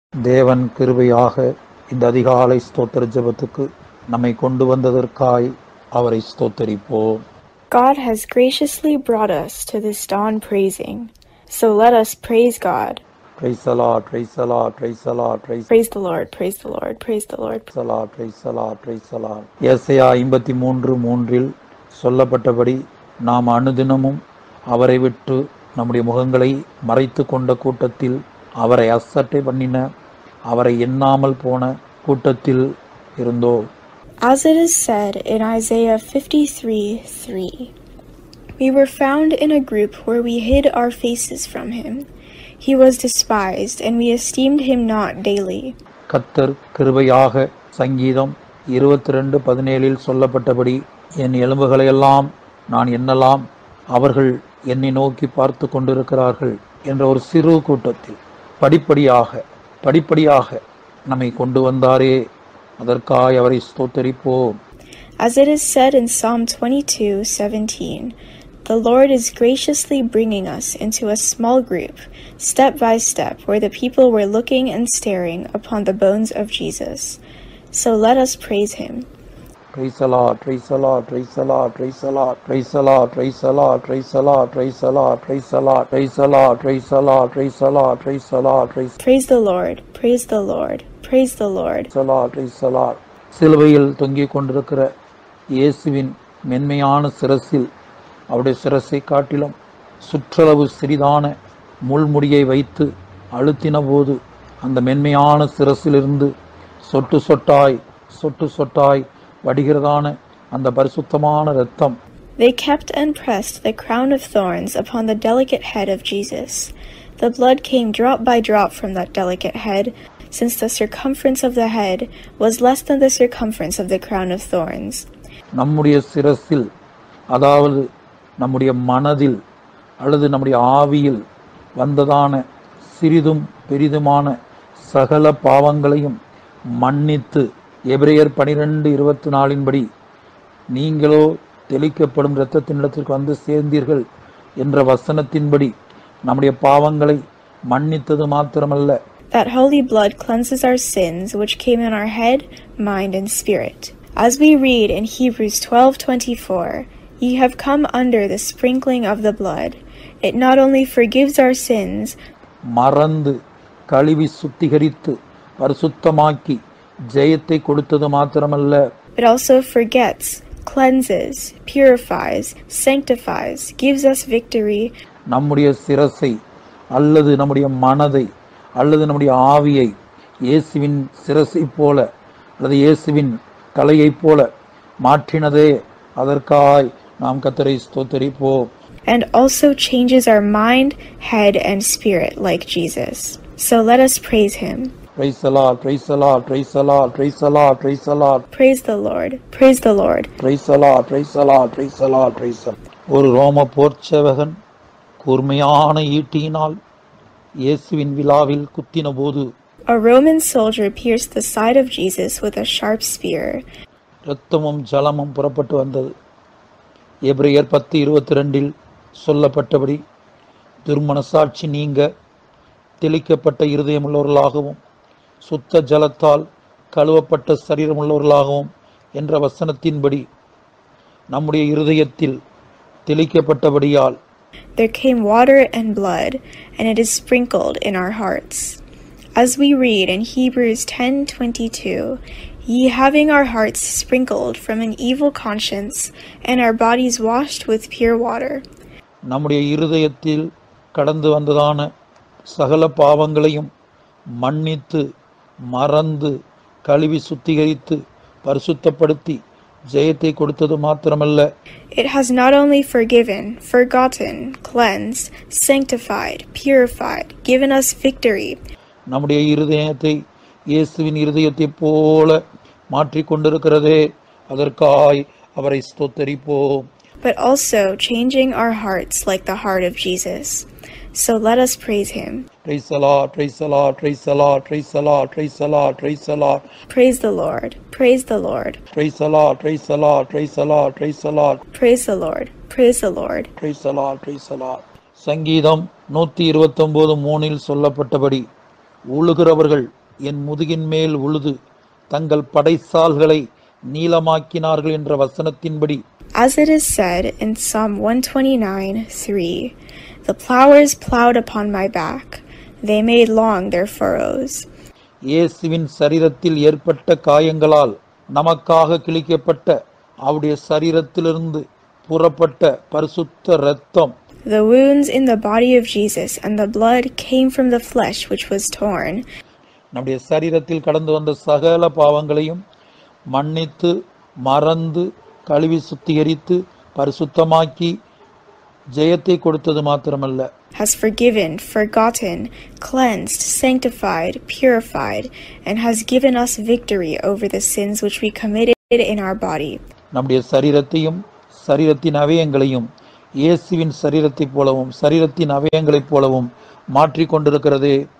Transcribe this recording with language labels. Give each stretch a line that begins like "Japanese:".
Tamil: தேவன் கிருபையாக இந்த அதிகாலை ஸ்தோத்திர ஜெபத்துக்கு நம்மை கொண்டு வந்ததற்காய் அவரை ஸ்தோத்தரிப்போம்.
English: God has graciously brought us to this dawn praising. So let us praise God. Praise the Lord, praise the Lord, praise the Lord, praise the Lord, praise the Lord, praise the Lord. Praise the Lord, praise the Lord, praise the Lord.
Tamil: ஏசாயா 53:3-இல் சொல்லப்பட்டபடி நாம் அனுதினமும் அவரை விட்டு நம்முடைய முகங்களை மறைத்து கொண்ட கூட்டத்தில் அவரை அசட்டை பண்ணின அவரை எண்ணாமல் போன கூட்டத்தில் இருந்தோ.
English: As it is said in Isaiah 53:3, we were found in a group where we hid our faces from him. He was despised and we esteemed him not daily.
Tamil: கர்த்தர் கிருபையாக சங்கீதம் 22:17-இல் சொல்லப்பட்டபடி என் எலும்புகளை எல்லாம் நான் எண்ணலாம் அவர்கள் என்னை நோக்கி பார்த்து கொண்டிருக்கிறார்கள் என்ற ஒரு சிறு கூட்டத்தில் படிப்படியாக நம்மை கொண்டு வந்தாரே அதற்காய் அவரை ஸ்தோத்தரிப்போம்.
English: As it is said in Psalm 22:17, the Lord is graciously bringing us into a small group, step by step, where the people were looking and staring upon the bones of Jesus. So let us praise him. Praise the Lord, praise the Lord, praise the Lord, praise the Lord, praise the Lord, praise the Lord, praise the Lord, praise the Lord, praise the Lord, praise the Lord, praise the Lord, praise the Lord, praise the Lord, praise the Lord, praise the Lord, praise the Lord, praise the Lord, praise the Lord.
Tamil: சிலுவையில் தொங்கிக் கொண்டிருக்கிற இயேசுவின் மென்மையான சிரசில் அவருடைய சிரசை காட்டிலும் சுற்றளவு சிறிதான முள்முடியை வைத்து அழுத்தின போது அந்த மென்மையான சிரசிலிருந்து சொட்டு சொட்டாய் வடிகிறதான அந்த பரிசுத்தமான இரத்தம்.
English: They kept and pressed the crown of thorns upon the delicate head of Jesus. The blood came drop by drop from that delicate head, since the circumference of the head was less than the circumference of the crown of thorns.
Tamil: நம்முடைய சிரசில், அதாவது நம்முடைய மனதில் அல்லது நம்முடைய ஆவியில் வந்ததான சிறிதும் பெரிதுமான சகல பாவங்களையும் மன்னித்து எபிரேயர் 12:24-இன்படி நீங்களோ தெளிக்கப்படும் இரத்தத்தின் இடத்திற்கு வந்து சேர்ந்தீர்கள் என்ற வசனத்தின்படி நம்முடைய பாவங்களை மன்னித்தது மாத்திரமல்ல.
English: That holy blood cleanses our sins which came in our head, mind and spirit. As we read in Hebrews 12:24, ye have come under the sprinkling of the blood. It not only forgives our sins,
Tamil: மறந்து கழுவி சுத்திகரித்து பரிசுத்தமாக்கி ஜெயத்தை கொடுத்தது மாத்திரமல்ல,
English: it also forgets, cleanses, purifies, sanctifies, gives us victory.
Tamil: நம்முடைய சிரசை அல்லது நம்முடைய மனதை அல்லது நம்முடைய ஆவியை இயேசுவின் சிரசை போல அல்லது இயேசுவின் தலையை போல மாற்றினதே அதற்காய் நாம் கர்த்தரை ஸ்தோத்தரிப்போம்.
English: And also changes our mind, head and spirit like Jesus. So let us praise him. Praise the Lord, praise the Lord, praise the Lord, praise the Lord, praise the Lord. Praise the Lord, praise the Lord. Praise the Lord, praise the Lord, praise the Lord, praise the Lord.
Tamil: ஒரு ரோம போர்ச்சவகன் கூர்மையான ஈட்டியினால் இயேசுவின் விலாவில் குத்தின போது,
English: a Roman soldier pierced the side of Jesus with a sharp spear.
Tamil: இரத்தமும் ஜலமும் புறப்பட்டு வந்தது. எபிரேயர் 10:22-இல் சொல்லப்பட்டபடி துர்மனசாட்சி நீங்க தெளிக்கப்பட்ட இருதயமுள்ளவர்களாகவும் சுத்த ஜலத்தால் கழுவப்பட்ட சரீரமுள்ளவர்களாகவும் என்ற வசனத்தின்படி நம்முடைய இருதயத்தில் தெளிக்கப்பட்டபடியால்,
English: There came water and blood, and it is sprinkled in our hearts. As we read in Hebrews 10:22, ye having our hearts sprinkled from an evil conscience and our bodies washed with pure water.
Tamil: நம்முடைய இருதயத்தில் கடந்து வந்ததான சகல பாவங்களையும் மன்னித்து மறந்து கழுவி சுத்திகரித்து பரிசுத்தப்படுத்தி ஜெயத்தை கொடுத்தது மாத்திரமல்ல,
English: It has not only forgiven, forgotten, cleansed, sanctified, purified, given us victory.
Tamil: நம்முடைய இருதயத்தை இயேசுவின் இருதயத்தை போல மாற்றி கொண்டிருக்கிறதே அதற்காய் அவரை ஸ்தோத்தரிப்போம்.
English: But also changing our hearts like the heart of Jesus. So let us praise him. Praise the Lord, praise the Lord, praise the Lord, praise the Lord, praise the Lord, praise the Lord. Praise the Lord, praise the Lord. Praise the Lord, praise the Lord, praise the Lord, praise the Lord. Praise the Lord, praise the Lord. Praise the Lord, praise the Lord.
Tamil: சங்கீதம் 129:3 சொல்லப்பட்டபடி, உழுகிறவர்கள் என் முதுகின் மேல் உழுது தங்கள் படைசால்களை நீளமாக்கினார்கள் என்ற வசனத்தின்படி,
English: As it is said in Psalm 129:3, the plowers plowed upon my back, they made long their furrows.
Tamil: இயேசுவின் சரீரத்தில் ஏற்பட்ட காயங்களால் நமக்காக கிழிக்கப்பட்ட அவருடைய சரீரத்திலிருந்து புறப்பட்ட பரிசுத்த இரத்தம்,
English: The wounds in the body of Jesus and the blood came from the flesh which was torn.
Tamil: நம்முடைய சரீரத்தில் கடந்து வந்த சகல பாவங்களையும் மன்னித்து மறந்து கழுவி சுத்திகரித்து பரிசுத்தமாக்கி ஜெயத்தை கொடுத்தது மாத்திரமல்ல,
English: has forgiven, forgotten, cleansed, sanctified, purified, and has given us victory over the sins which we committed in our body.
Tamil: நம்முடைய சரீரத்தையும் சரீரத்தின் அவயங்களையும் இயேசுவின் சரீரத்தைப் போலவும் சரீரத்தின் அவயங்களைப் போலவும் மாற்றிக் கொண்டிருக்கிறது.